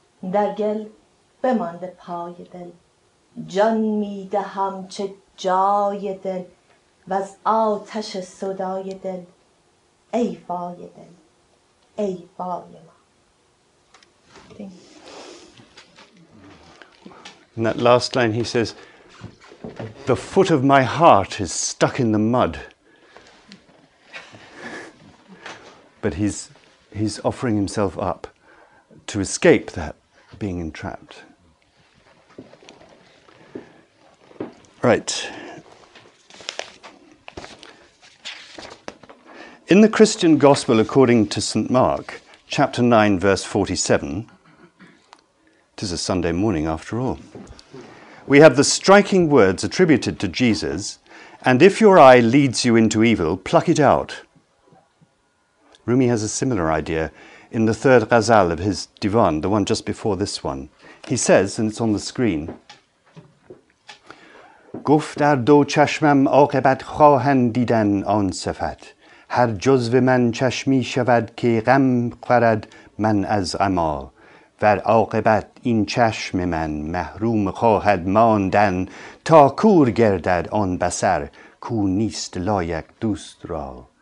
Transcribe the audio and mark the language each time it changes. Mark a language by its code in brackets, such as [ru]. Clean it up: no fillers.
[fa] در گل بمانده پای دل، جان می دهم چه جای دل، و از آتش صدای دل، ای وای دل، ای وای ما. [en] In that last line he says, the foot of my heart is stuck in the mud. But he's offering himself up to escape that being entrapped. Right. In the Christian Gospel according to St. Mark, chapter 9, verse 47, it is a Sunday morning after all, we have the striking words attributed to Jesus, and if your eye leads you into evil, pluck it out. Rumi has a similar idea in the third ghazal of his Divan, the one just before this one. He says, and it's on the screen, [fa] گفت ار دو چشمم عاقبت خواهند دیدن آن صفت هر جزو من چشمی شود که غم خورد من از غما و عاقبت این چشم من محروم خواهد ماندن تا کور گردد آن بصر کو نیست لایق دوست را.